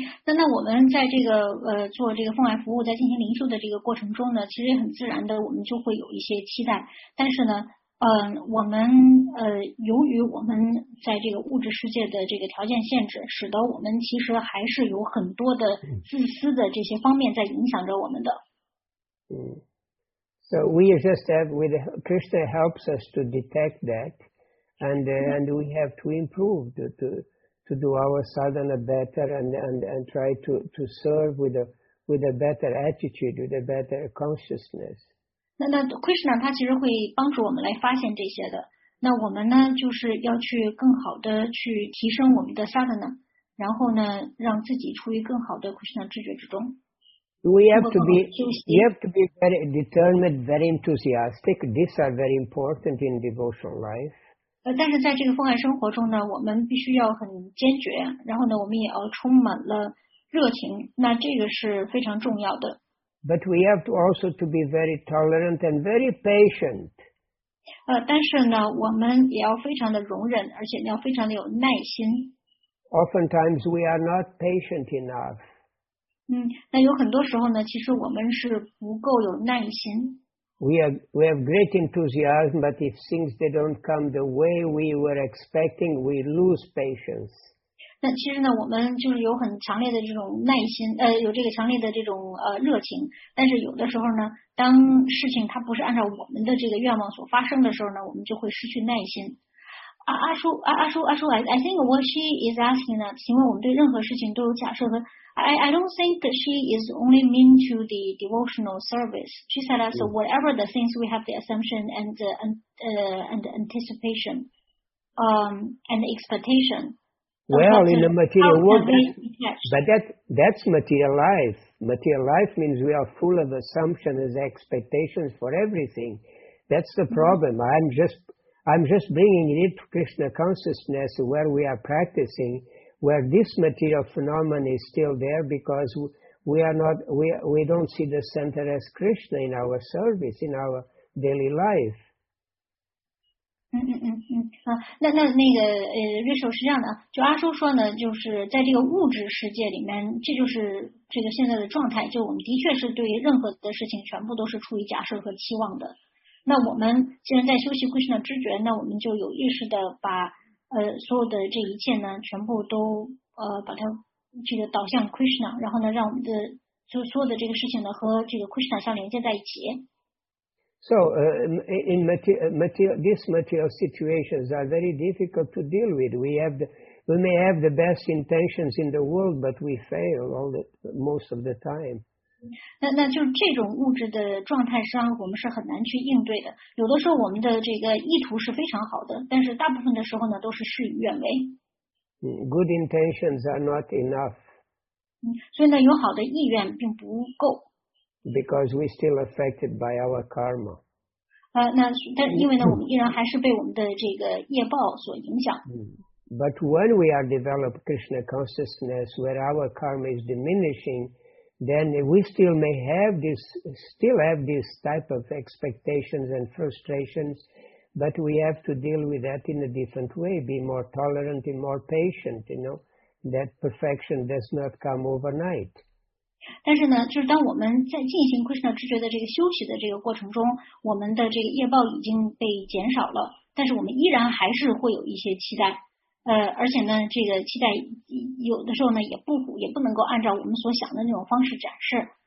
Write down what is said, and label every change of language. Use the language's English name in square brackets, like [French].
[Chinese] 那我们在这个做这个奉爱服务，在进行灵修的这个过程中呢，其实很自然的，我们就会有一些期待。但是呢，我们由于我们在这个物质世界的这个条件限制，使得我们其实还是有很多的自私的这些方面在影响着我们的。 [English] So we just have, with Krishna helps us to detect that, and we have to improve to do our sadhana better and try to serve with a better attitude, with a better consciousness. [Chinese] 那 Krishna 他其实会帮助我们来发现这些的。那我们呢，就是要去更好的去提升我们的 sadhana， 然后呢，让自己处于更好的 Krishna 知觉之中。 [English] We have to be very determined, very enthusiastic. These are very important in devotional life. [Chinese] 但是在这个奉爱生活中呢，我们必须要很坚决，然后呢，我们也要充满了热情。那这个是非常重要的。 [English] But we have to also to be very tolerant and very patient. [Chinese] 但是呢，我们也要非常的容忍，而且要非常的有耐心。 [English] Oftentimes we are not patient enough. [Chinese] 那有很多时候呢，其实我们是不够有耐心。 [English] We have great enthusiasm, but if things they don't come the way we were expecting, we lose patience. [Chinese] 那其实呢，我们就是有很强烈的这种耐心，有这个强烈的这种热情。但是有的时候呢，当事情它不是按照我们的这个愿望所发生的时候呢，我们就会失去耐心。阿叔， [English] I think what she is asking [Chinese] 呢，请问我们对任何事情都有假设的。 [English] I don't think that she is only mean to the devotional service. She said that, so whatever the things we have, the assumption and the anticipation, and the expectation. Well, in the material world, but that's material life. Material life means we are full of assumptions and expectations for everything. That's the problem. I'm just bringing it to Krishna consciousness where we are practicing, where this material phenomenon is still there because we don't see the center as Krishna in our service, in our daily life. [Chinese] 那个瑞秀是这样的，就阿叔说呢，就是在这个物质世界里面，这就是这个现在的状态，就我们的确是对任何的事情全部都是出于假设和期望的。那我们既然在修习Krishna知觉，那我们就有意识的把所有的这一切呢，全部都把它这个导向 Krishna， 然后呢，让我们的所有的这个事情呢，和这个 Krishna 相连接在一起。 [English] So in material, these material situations are very difficult to deal with. We may have the best intentions in the world, but we fail most of the time. [Chinese] 那就这种物质的状态，实际上我们是很难去应对的。有的时候我们的这个意图是非常好的，但是大部分的时候呢，都是事与愿违。 [English] Good intentions are not enough. [Chinese] 所以呢，有好的意愿并不够。 [English] Because we're still affected by our karma. [Chinese] 但因为呢，我们依然还是被我们的这个业报所影响。 [English] But when we are developed Krishna consciousness, where our karma is diminishing, then we still may have this, still have this type of expectations and frustrations, but we have to deal with that in a different way, be more tolerant and more patient, you know, that perfection does not come overnight. [Chinese] 但是呢，就是当我们在进行 Krishna 知觉的这个休息的这个过程中，我们的这个业报已经被减少了，但是我们依然还是会有一些期待。而且呢，这个期待有的时候呢，也不能够按照我们所想的那种方式展示。